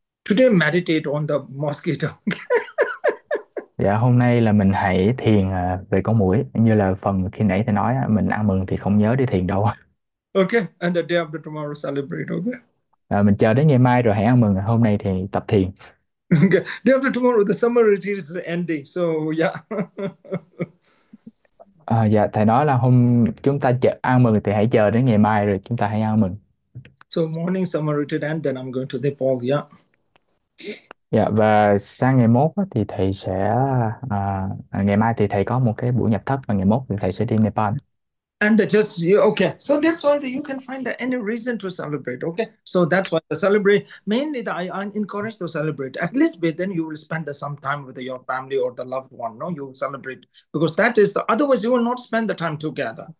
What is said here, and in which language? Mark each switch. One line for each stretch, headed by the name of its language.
English: Today meditate on
Vietnamese: Dạ, hôm nay là mình hãy thiền về con muỗi, như là phần khi nãy thầy nói, mình ăn mừng thì không nhớ đi thiền đâu.
English: mosquito. Okay, and the day after tomorrow celebrate.
Vietnamese: Mình chờ đến ngày mai rồi hãy ăn mừng, hôm nay thì tập thiền.
English: Okay, day after tomorrow the summer retreat is ending. So
Vietnamese: Dạ, thầy nói là hôm chúng ta chờ ăn mừng thì hãy chờ đến ngày mai rồi chúng ta hãy ăn mừng.
English: So morning summer retreat and then I'm going to Nepal.
Vietnamese: Dạ, và sang ngày mốt thì thầy sẽ ngày mai thì thầy có một cái buổi nhập thất, và ngày mốt thì thầy sẽ đi Nepal.
English: And just okay, so that's why you can find any reason to celebrate. Okay, so that's why the celebrate mainly that I encourage to celebrate at least, but then you will spend some time with your family or the loved one. No, you will celebrate because that is the otherwise you will not spend the time together.